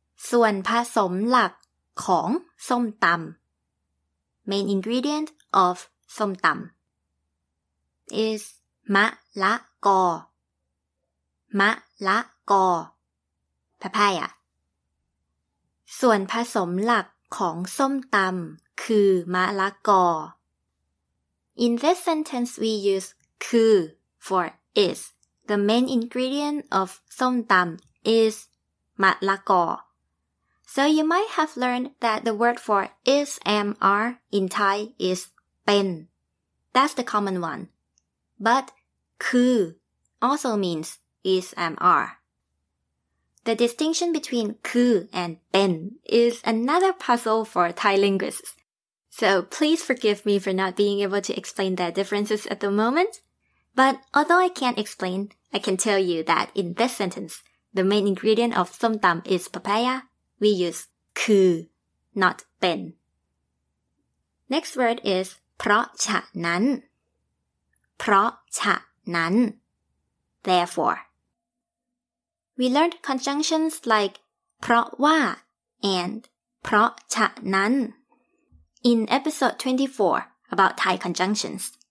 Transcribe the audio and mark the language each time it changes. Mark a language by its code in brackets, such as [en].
[th] ส่วนผสมหลักของส้มตำ [en] main ingredient of [th] ส้มตำis mã lá gò mã lá gò papaya ส่วนผสมหลักของส้มตำคือมะละกอ [en] in this sentence we use คือ for is the main ingredient of ส้มตำ is มะละกอ so you might have learned that the word for is am are in Thai is เป็น that's the common oneBut คือ also means is am are. The distinction between คือ and เป็น is another puzzle for Thai linguists. So please forgive me for not being able to explain their differences at the moment. But although I can't explain, I can tell you that in this sentence, The main ingredient of som tam is papaya. We use คือ not เป็น Next word is เพราะฉะนั้น เพราะฉะนั้น Therefore We learned conjunctions like เพราะว่า and เพราะฉะนั้น in episode 24 about Thai conjunctions.